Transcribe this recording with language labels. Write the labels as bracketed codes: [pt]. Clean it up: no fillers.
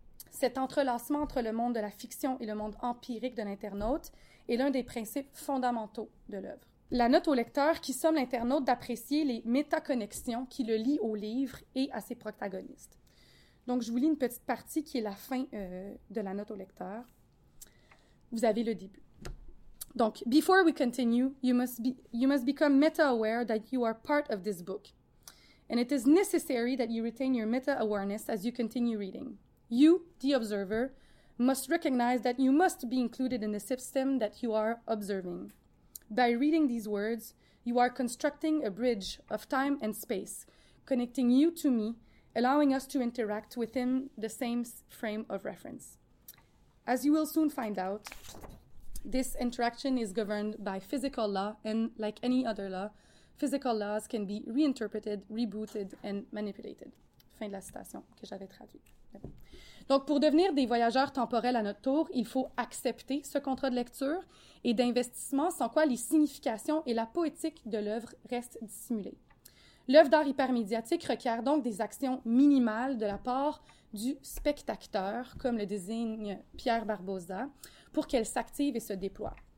[fr] Cet entrelacement entre le monde de la fiction et le monde empirique de l'internaute est l'un des principes fondamentaux de l'œuvre. La note au lecteur qui somme l'internaute d'apprécier les méta-connexions qui le lient au livre et à ses protagonistes. Donc, je vous lis une petite partie qui est la fin de la note au lecteur. Vous avez le début. [en] Donc, « Before we continue, you must become meta-aware that you are part of this book. And it is necessary that you retain your meta-awareness as you continue reading. » You, the observer, must recognize that you must be included in the system that you are observing. By reading these words, you are constructing a bridge of time and space, connecting you to me, allowing us to interact within the same frame of reference. As you will soon find out, This interaction is governed by physical law, and like any other law, physical laws can be reinterpreted, rebooted, and manipulated. [fr] Fin de la citation que j'avais traduite. Donc, pour devenir des voyageurs temporels à notre tour, il faut accepter ce contrat de lecture et d'investissement, sans quoi les significations et la poétique de l'œuvre restent dissimulées. L'œuvre d'art hypermédiatique requiert donc des actions minimales de la part du spectateur, comme le désigne Pierre Barbosa, pour qu'elle s'active et se déploie.